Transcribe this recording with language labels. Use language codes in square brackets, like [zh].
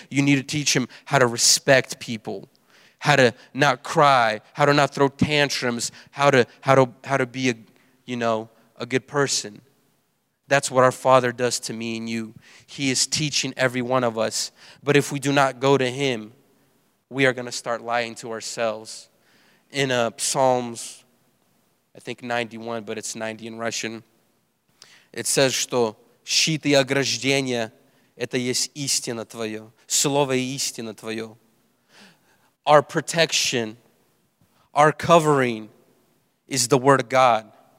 [en] You need to teach them how to respect people, how to not cry, how to not throw tantrums, how to be a, you know, a good person. That's what our Father does to me and you. He is teaching every one of us. But if we do not go to him, we are going to start lying to ourselves. In Psalms, I think 91, but it's 90 in Russian. It says, [ru] что щит и ограждение – это есть истина твоё. Слово и истина твоё. [en] Our protection, our covering is the word of God.